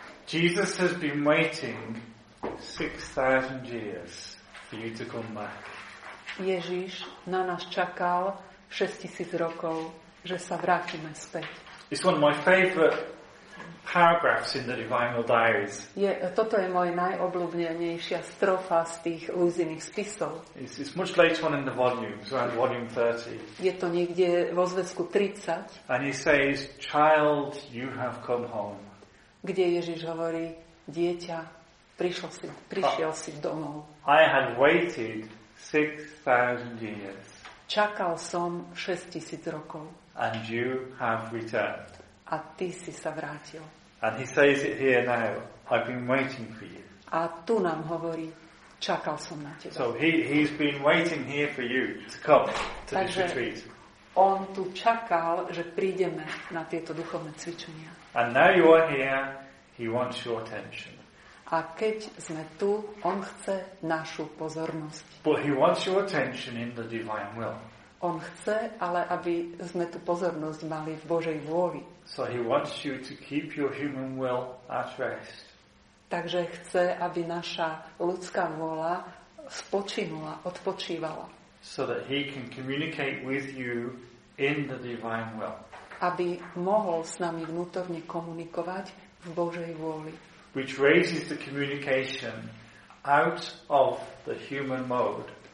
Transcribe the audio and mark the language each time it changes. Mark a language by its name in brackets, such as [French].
[English] Jesus has been waiting 6,000 years for you to come back. [Slovak] Ježíš na nás čakal 6,000 rokov, že sa vrátime späť. [English] It's one of my favorite paragraphs in the Divinal Diaries. [Slovak] Je, toto je moje najobľúbenejšia strofa z tých Luziných spisov. [English] It's much later on in the volume, around volume 30. [Slovak] Je to niekde vo zväzku 30. [English] And he says, child, you have come home. [Slovak] Kde Ježiš hovorí, dieťa, prišiel si domov. [English] I had waited 6,000 years. [Slovak] Čakal som 6,000 rokov. [English] And you have returned. [Slovak] A ty si sa vrátil. [English] And he says it here now. I've been waiting for you. [Slovak] A tu nám hovorí, čakal som na teba. [English] So he's been waiting here for you to come to this retreat. [Slovak] On tu čakal, že prídeme na tieto duchovné cvičenia. [English] And now you are here, he wants your attention. [Slovak] A keď sme tu, on chce našu pozornosť. [English] But he wants your attention in the divine will. [Slovak] On chce, ale aby sme tú pozornosť mali v Božej vôli. [English] So he wants you to keep your human will at rest. [Slovak] Takže chce, aby naša ľudská vôľa spočinula, odpočívala. [English] So that he can communicate with you in the divine will. [Slovak] Aby mohol s nami vnútorne komunikovať v Božej vôli. [English] Which raises the communication out of the human mode.